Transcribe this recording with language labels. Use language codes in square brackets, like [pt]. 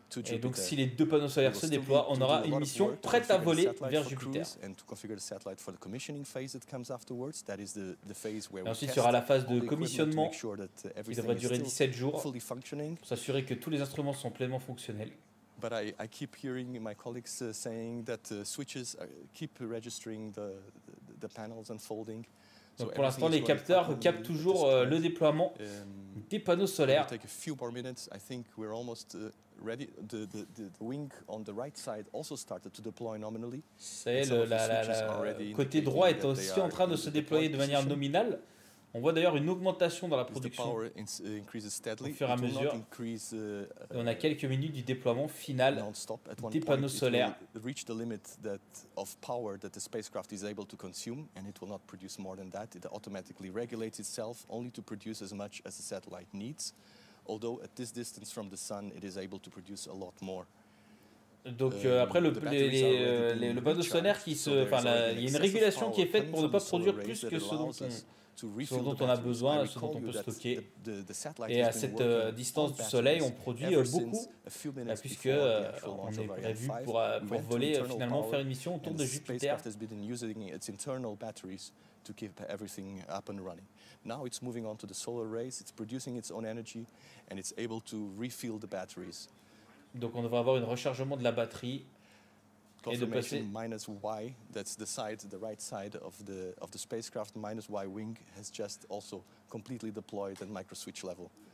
[fr] Et donc, si les deux panneaux solaires se déploient, on aura une mission prête à voler vers Jupiter. Et ensuite, il y aura la phase de commissionnement qui devrait durer 17 jours pour s'assurer que tous les instruments sont pleinement fonctionnels. [en] But I keep hearing my colleagues saying that the switches keep registering the panels unfolding. [fr] Donc pour l'instant, les capteurs captent toujours le déploiement des panneaux solaires. [en] Take a few more minutes. I think we're almost ready. The wing on the right side also started to deploy nominally. [fr] C'est le côté droit est aussi en train de se déployer de manière nominale. On voit d'ailleurs une augmentation dans la production au fur et à mesure. Et on a quelques minutes du déploiement final des panneaux solaires. [en] Reach the limit that of power that the spacecraft is able to consume, and it will not produce more than that. It automatically regulates itself only to produce as much as the satellite needs. Although at this distance from the sun, it is able to produce a lot more. [fr] Donc après le panneau solaire qui se, enfin, il y a une régulation qui est faite pour ne pas produire plus que ce dont ce dont on a besoin, ce dont on peut stocker. Et à cette distance du Soleil, on produit beaucoup, puisque on est prévu pour voler, finalement, faire une mission autour de Jupiter. [en] To keep everything up and running. Now it's moving on to the solar arrays, it's producing its own energy and it's able to refill the batteries. [fr] Donc on devrait avoir une rechargement de la batterie et de passer [en] minus Y, that's the side, the right side of the spacecraft, minus Y wing has just also completely deployed at micro switch level.